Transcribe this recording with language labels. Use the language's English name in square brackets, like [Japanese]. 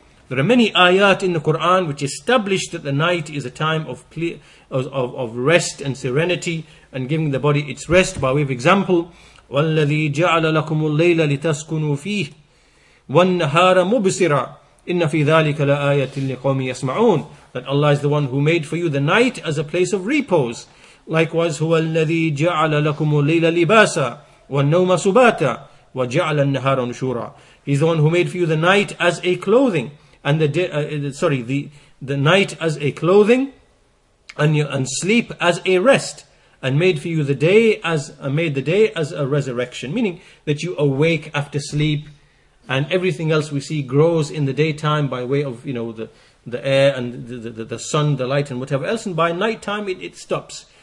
[English] There are many ayat in the Quran which establish that the night is a time of clear of rest and serenity, and giving the body its rest. By way of example, [Arabic] وَالَّذِي جَعَلَ لَكُمُ اللَّيْلَ لِتَسْكُنُوا فِيهِ وَالنَّهَارَ مُبْصِرًا إِنَّ فِي ذَلِكَ لَآيَةٍ لِقَوْمٍ يَسْمَعُونَ. [English] That Allah is the one who made for you the night as a place of repose. Likewise, [Arabic] هو الذي جعل لكم الليل لباسا والنوم سباتا وجعل النهار نشورا. [English] He's the one who made for you the night as a clothing and the night as a clothing and sleep as a rest, and made for you the day as made the day as a resurrection, meaning that you awake after sleep, and everything else we see grows in the daytime by way of the air and the sun, the light, and whatever else, and by nighttime it stops.